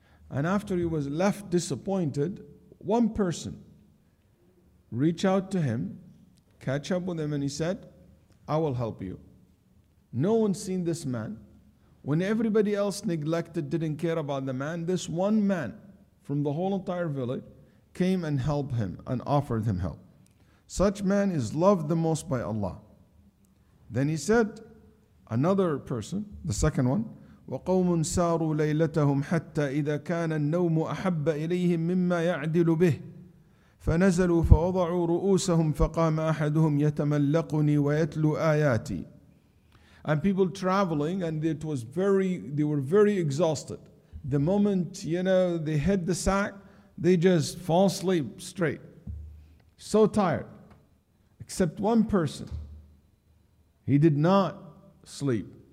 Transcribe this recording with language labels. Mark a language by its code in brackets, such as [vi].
[en] And after he was left disappointed, one person reached out to him, catch up with him, and he said, I will help you. No one seen this man. When everybody else neglected, didn't care about the man, this one man from the whole entire village came and helped him and offered him help. Such man is loved the most by Allah. Then he said, another person, the second one, [ar] وَقَوْمٌ سَارُوا لَيْلَتَهُمْ حَتَّى إِذَا كَانَ النَّوْمُ أَحَبَّ إِلَيْهِمْ مِمَّا يَعْدِلُ بِهِ فَنَزَلُوا فَوَضَعُوا رُؤُوسَهُمْ فَقَامَ أَحَدُهُمْ يَتَمَلَّقُنِي وَيَتْلُوا آيَاتِي. [en] And people traveling, and it was very, they were very exhausted. The moment, you know, they hit the sack, they just fall asleep straight. So tired. Except one person. He did not sleep.